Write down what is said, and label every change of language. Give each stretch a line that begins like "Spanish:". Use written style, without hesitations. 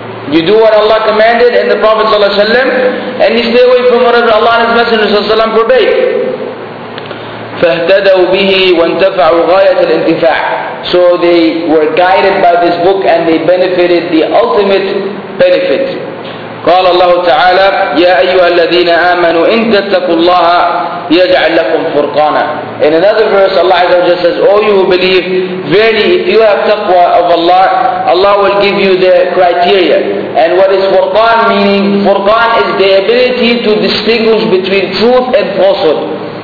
English: You do what Allah commanded and the Prophet ﷺ, and you stay away from whatever Allah and His Messenger ﷺ forbade.
Arabic: فَاهْتَدَوْا بِهِ وَانْتَفَعُوا غَايَةَ الْإِنْتِفَاعِ.
English: So they were guided by this book and they benefited the ultimate benefit.
Arabic: قال الله تعالى يا أيها الذين آمنوا إن تتقوا الله يجعل لكم فرقانا.
English: In another verse Allah عز وجل says, oh you who believe, verily if you have taqwa of Allah, Allah will give you the criteria. And what is furqan meaning? Furqan is the ability to distinguish between truth and falsehood.